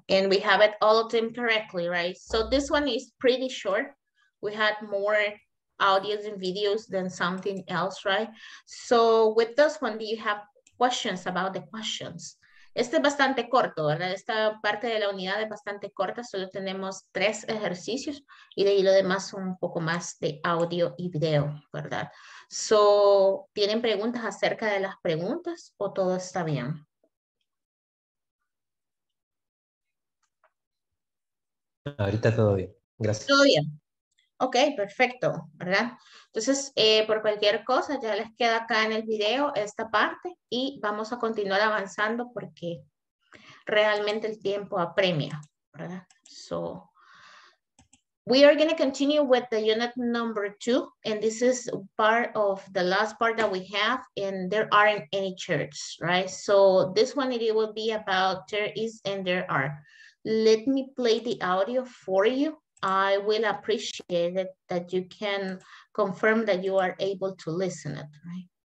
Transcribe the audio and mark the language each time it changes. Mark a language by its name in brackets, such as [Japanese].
[English] And we have it all of them correctly, right? So this one is pretty short. We had more audios and videos than something else, right? So with this one, do you have questions about the questions? [Spanish] Este es bastante corto, ¿verdad? Esta parte de la unidad es bastante corta, solo tenemos tres ejercicios y de ahí lo demás son un poco más de audio y video, ¿verdad? So, ¿tienen preguntas acerca de las preguntas o todo está bien? Ahorita todo bien, gracias. Todo bien. Ok, perfecto, ¿verdad? Entonces, por cualquier cosa, ya les queda acá en el video esta parte y vamos a continuar avanzando porque realmente el tiempo apremia, ¿verdad? [English] So, we are going to continue with the unit number two, and this is part of the last part that we have, and there aren't any chairs, right? So, this one, it will be about there is and there are. Let me play the audio for you. I will appreciate it that you can confirm that you are able to listen it, right?